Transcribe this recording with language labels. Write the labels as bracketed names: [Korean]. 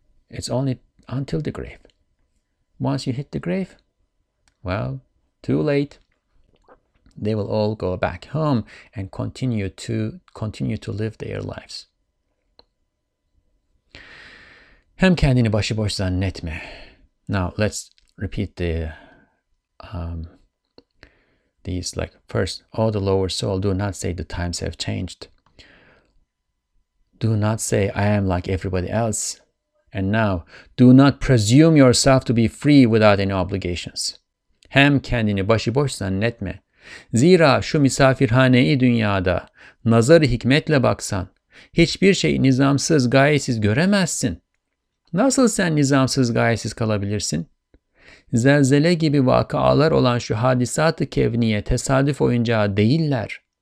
[English] It's only until the grave. Once you hit the grave, well, too late. They will all go back home and continue to live their lives. [Turkish] Hem kendini başıboş zannetme. [English] Now let's repeat these, like, first, all the lower soul, do not say the times have changed. Do not say I am like everybody else. And now, do not presume yourself to be free without any obligations. [Turkish] Hem kendini başıboş zannetme. Zira şu misafirhane-i dünyada nazar-ı hikmetle baksan, hiçbir şeyi nizamsız, gayesiz göremezsin. Nasıl sen nizamsız, gayesiz kalabilirsin? Zelzele gibi vakalar olan şu hadisat-ı kevniye tesadüf oyuncağı değiller.